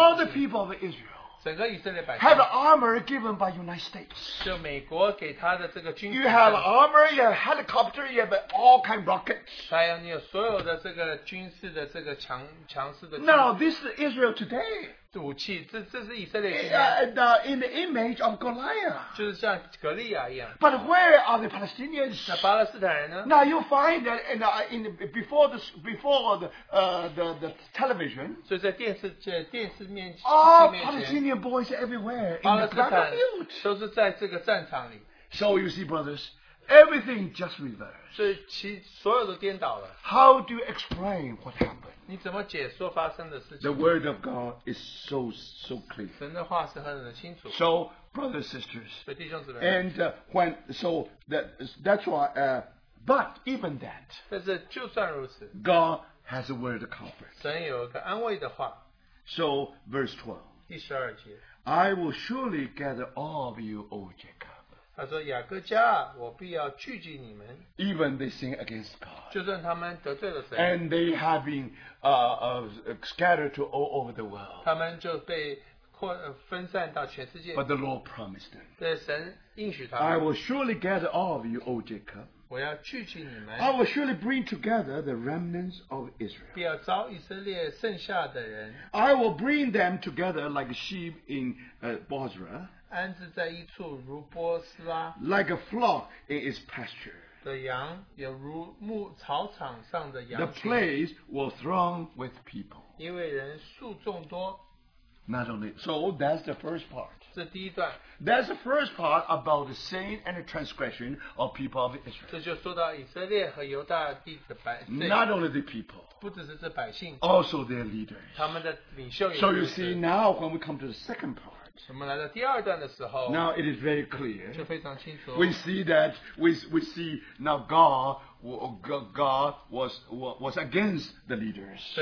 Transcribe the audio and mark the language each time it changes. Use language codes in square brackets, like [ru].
[en] all the people of Israel have armor given by United States. You have armor, you have helicopter, you have all kind of rockets. [zh] 还有你有所有的这个军事的这个强势的军事. [en] Now this is Israel today. [zh] 武器, 这是以色列现在。 [en] In the image of Goliath. [zh] 就是像格利亚一样。 [en] But where are the Palestinians? [zh] 那巴勒斯坦人呢? [en] Now you find that before the television. [zh] 所以在电视面, [en] all Palestinian boys everywhere in the battlefield. [zh] 都是在这个战场里。 [en] So you see, brothers, everything just reversed. [zh] 所以其所有都颠倒了。 [en] How do you explain what happened? [zh] 你怎么解说发生的事情? [en] The word of God is so, so clear. [zh] 神的话是很清楚。 [en] So, brothers and sisters, [zh] 所以弟兄姊妹, [en] and when, so, that's why, but even that, [zh] 但是就算如此, [en] God has a word of comfort. [zh] 神有一个安慰的话, [en] so, verse 12, [zh] 第十二节, [en] I will surely gather all of you, O Jacob. [zh] 他说, [en] even they sin against God. [zh] 就算他们得罪了谁, [en] and they have been scattered to all over the world. [zh] 他们就被分散到全世界, [en] but the Lord promised them. [zh] 对神应许他们, [en] I will surely gather all of you, O Jacob. [zh] 我要聚集你们, [en] I will surely bring together the remnants of Israel. [zh] 必要召以色列剩下的人, [en] I will bring them together like sheep in Bozrah. Like a flock in its pasture. [zh] 的羊也如牧草场上的羊群, [en] the place was thronged with people. [zh] 因为人数众多, [en] not only so, that's the first part. [zh] 这第一段, [en] that's the first part about the sin and the transgression of people of Israel. [zh] 这就说到以色列和犹大地的百姓, [en] not only the people, [zh] 不只是这百姓, [en] also their leaders. [zh] 他们的领袖也是, [en] so you see, now when we come to the second part, now it is very clear. We see that we see now God was against the leaders.